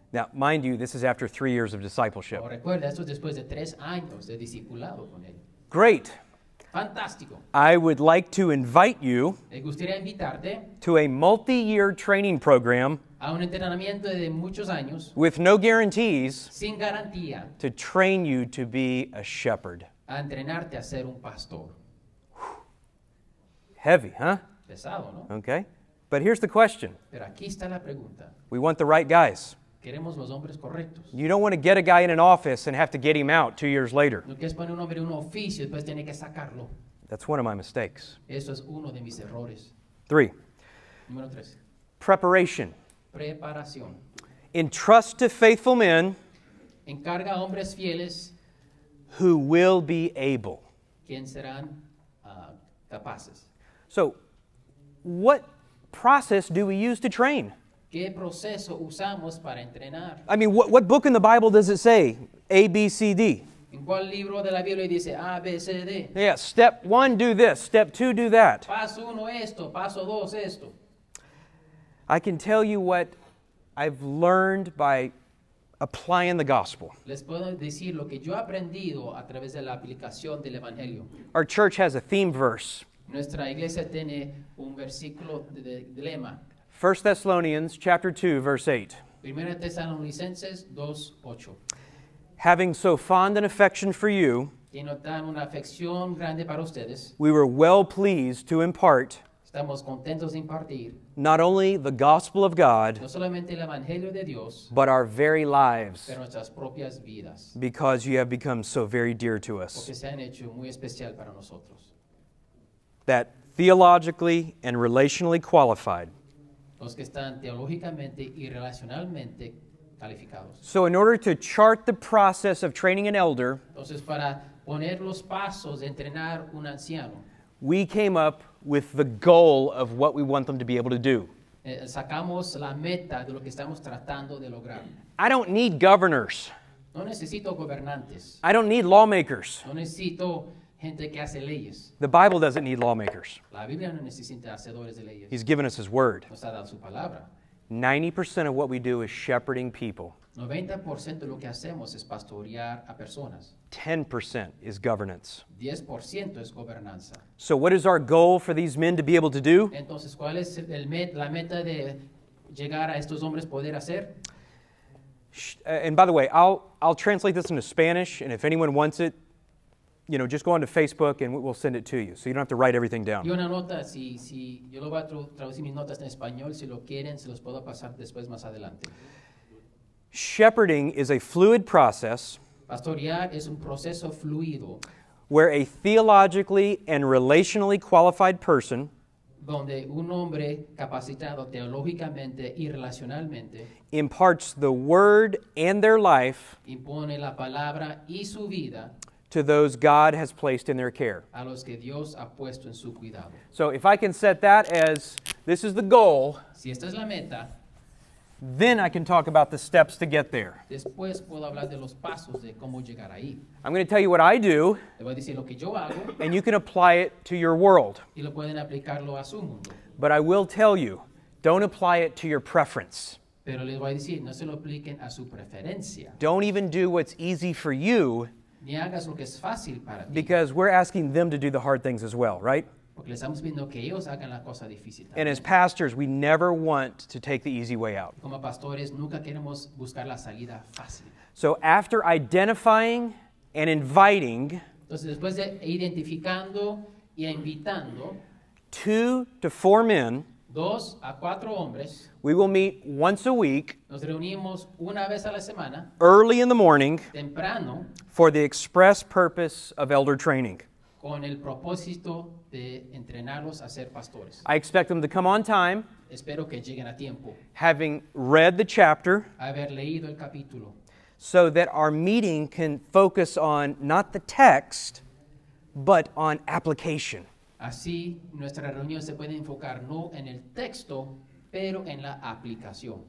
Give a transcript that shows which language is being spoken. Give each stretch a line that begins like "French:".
English: Now, mind you, this is after 3 years of discipleship.
Spanish: O recuerda, esto es después de 3 años de discipulado con él.
English: Great.
Spanish: Fantástico.
English: I would like to invite you
Spanish: me gustaría invitarte
English: to a multi-year training program
Spanish: a un entrenamiento de muchos años
English: with no guarantees
Spanish: sin garantía
English: to train you to be a shepherd.
Spanish: A entrenarte a ser un pastor.
English: Heavy, huh?
Spanish: Pesado, ¿no?
English: Okay. But here's the question.
Spanish: Pero aquí está la pregunta.
English: We want the right guys.
Spanish: Queremos los hombres correctos.
English: You don't want to get a guy in an office and have to get him out 2 years later.
Spanish: No quieres poner un hombre en un oficio y después tener que sacarlo.
English: That's one of my mistakes.
Spanish: Eso es uno de mis errores.
English: Three.
Spanish: Número tres.
English: Preparation.
Spanish: Preparación.
English: Entrust to faithful men.
Spanish: Encarga a hombres fieles.
English: Who will be able.
Spanish: ¿Quién serán, capaces?
English: So, what process do we use to train?
Spanish: ¿Qué proceso usamos para entrenar?
English: I mean, what book in the Bible does it say? A, B, C, D.
Spanish: ¿En cuál libro de la Biblia dice A, B, C, D?
English: Yeah, step one, do this. Step two, do that.
Spanish: Paso uno, esto. Paso dos, esto.
English: I can tell you what I've learned by applying the gospel.
Spanish: Les puedo decir lo que yo he aprendido a través de la aplicación del evangelio.
English: Our church has a theme verse.
Spanish: Nuestra iglesia tiene un versículo de lema.
English: 1 Thessalonians chapter 2, verse 8.
Spanish: Primera Tesalonicenses 2:8.
English: Having so fond an affection for you,
Spanish: tiene tan una afección grande para ustedes,
English: we were well pleased to impart,
Spanish: estamos contentos de impartir,
English: not only the gospel of God,
Spanish: no solamente el evangelio de Dios,
English: but our very lives,
Spanish: pero nuestras propias vidas,
English: because you have become so very dear to us.
Spanish: Porque se han hecho muy especial para nosotros.
English: That theologically and relationally qualified.
Spanish: Los que están teológicamente y relacionalmente calificados.
English: So in order to chart the process of training an elder,
Spanish: entonces para poner los pasos de entrenar un anciano,
English: we came up with the goal of what we want them to be able to do.
Spanish: Sacamos la meta de lo que estamos tratando de lograr.
English: I don't need governors.
Spanish: No necesito gobernantes.
English: I don't need lawmakers.
Spanish: No necesito gente que hace leyes.
English: The Bible doesn't need lawmakers.
Spanish: La Biblia no necesita hacedores de leyes.
English: He's given us his word.
Spanish: Nos ha dado su palabra.
English: 90% of what we do is shepherding people.
Spanish: 90% de lo que hacemos es pastorear a personas.
English: 10% is governance.
Spanish: 10% es gobernanza.
English: So what is our goal for these men to be able to do?
Spanish: Entonces, ¿cuál es la meta de llegar a estos hombres poder hacer?
English: And by the way, I'll translate this into Spanish, and if anyone wants it, you know, just go onto Facebook and we'll send it to you. So you don't have to write everything down.
Spanish: Yo una nota, si yo lo voy a traducir mis notas en español, si lo quieren, se los puedo pasar después más adelante.
English: Shepherding is a fluid process.
Spanish: Pastorear es un proceso fluido.
English: Where a theologically and relationally qualified person,
Spanish: donde un hombre capacitado teológicamente y relacionalmente,
English: imparts the word and their life,
Spanish: impone la palabra y su vida,
English: to those God has placed in their care.
Spanish: A los que Dios ha puesto en su cuidado.
English: So if I can set that as, this is the goal,
Spanish: si esta es la meta,
English: then I can talk about the steps to get there.
Spanish: Después puedo hablar de los pasos de cómo llegar ahí.
English: I'm going to tell you what I do,
Spanish: te voy a decir lo que yo hago,
English: and you can apply it to your world.
Spanish: Y lo pueden aplicarlo a su mundo.
English: But I will tell you, don't apply it to your preference.
Spanish: Pero les voy a decir, no se lo apliquen a su preferencia.
English: Don't even do what's easy for you,
Spanish: ni hagas lo que es fácil para ti.
English: Because we're asking them to do the hard things as well, right?
Spanish: Porque les estamos pidiendo que ellos hagan la cosa difícil también.
English: And as pastors, we never want to take the easy way out.
Spanish: Como pastores, nunca queremos buscar la salida fácil.
English: So after identifying and inviting,
Spanish: entonces después de identificando y invitando,
English: 2 to 4 men,
Spanish: 2 a 4 hombres,
English: we will meet once a week,
Spanish: nos reunimos una vez a la semana,
English: early in the morning,
Spanish: temprano,
English: for the express purpose of elder training.
Spanish: Con el propósito de entrenarlos a ser pastores.
English: I expect them to come on time,
Spanish: espero que lleguen a tiempo,
English: having read the chapter,
Spanish: haber leído el capítulo,
English: so that our meeting can focus on not the text, but on application.
Spanish: Así, nuestra reunión se puede enfocar no en el texto, pero en la aplicación.